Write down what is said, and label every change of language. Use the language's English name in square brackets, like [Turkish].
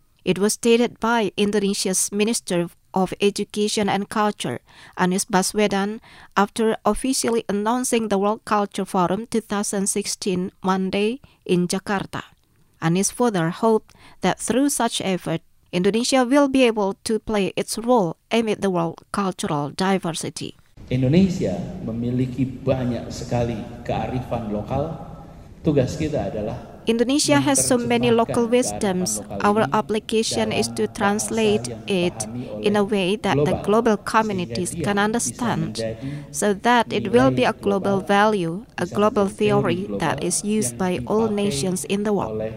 [English] It was stated by Indonesia's Minister of Education and Culture, Anies Baswedan, after officially announcing the World Culture Forum 2016 Monday in Jakarta. Anies further hoped that through such effort, Indonesia will be able to play its role amid the world cultural diversity. [Indonesian] Indonesia memiliki banyak sekali kearifan lokal. Tugas kita adalah [English] Indonesia has so many local wisdoms. Our obligation is to translate it in a way that the global communities can understand, so that it will be a global value, a global theory that is used by all nations in the world.